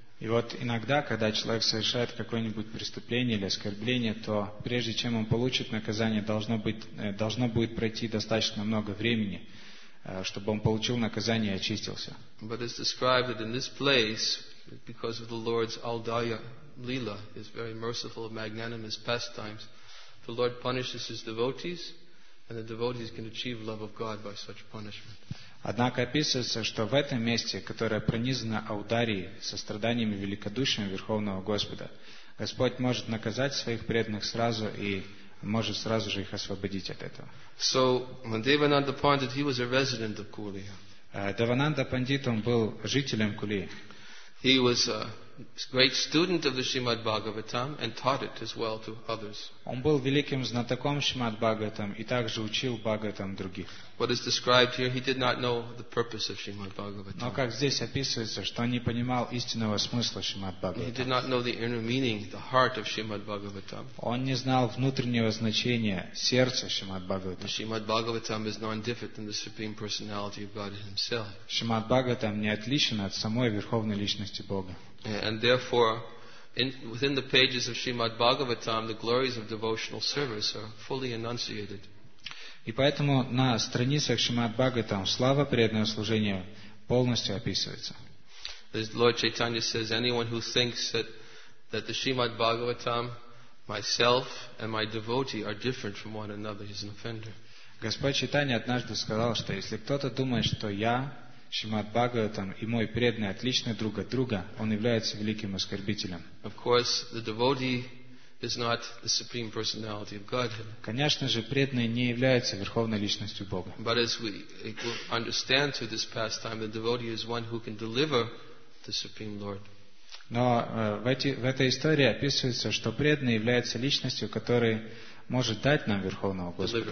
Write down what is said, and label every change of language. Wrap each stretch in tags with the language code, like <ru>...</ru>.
<ru>И вот иногда, когда человек совершает какое-нибудь преступление или оскорбление, то прежде чем он получит наказание, должно будет пройти достаточно много времени, чтобы он получил наказание и очистился.</ru> <en>But it's described that in this place, because of the Lord's Aldaya Lila, his very merciful and magnanimous pastimes, the Lord punishes his devotees, and the devotees can achieve love of God by such punishment.</en> <ru>Однако описывается, что в этом месте, которое пронизано аударией, состраданиями великодушия Верховного Господа, Господь может наказать своих преданных сразу и может сразу же их освободить от этого.</ru> <en>So, Devananda Pandit, he was a resident of Kulia.</en> <ru>Девананда Пандит, он был жителем Кулии.</ru> <en>He was great student of the Srimad Bhagavatam and taught it as well to others.</en> <ru>Он был великим знатоком Шримад Бхагаватам и также учил Бхагаватам других.</ru> <en>What is described here, he did not know the purpose of Srimad Bhagavatam.</en> <ru>Но как здесь описывается, что он не понимал истинного смысла Шримад Бхагаватам.</ru> <en>He did not know the inner meaning, the heart of Srimad Bhagavatam.</en> <ru>Он не знал внутреннего значения сердца Шримад Бхагаватам.</ru> <en>Srimad Bhagavatam is no different than the Supreme Personality of God Himself.</en> <ru>Шримад Бхагаватам не отличен от самой верховной личности Бога.</ru> <en>And therefore, within the pages of Srimad Bhagavatam, the glories of devotional service are fully enunciated.</en> <ru>И поэтому на страницах Шримад Бхагаватам слава преданного служения полностью описывается.</ru> <en>As Lord Chaitanya says, anyone who thinks that the Srimad Bhagavatam, myself and my devotee are different from one another is an offender.</en> <ru>Господь Чайтанья однажды сказал, что если кто-то думает, что я Шримад Бхагаватам и мой преданный отличный друг от друга, он является великим оскорбителем.</ru> <en>Of course, the devotee is not the supreme personality of Godhead.</en> <ru>Конечно же, преданный не является верховной личностью Бога.</ru> <en>But as we understand through this pastime, the devotee is one who can deliver the supreme Lord.</en> <ru>Но в этой истории описывается, что преданный является личностью, который может дать нам верховного Господа.</ru>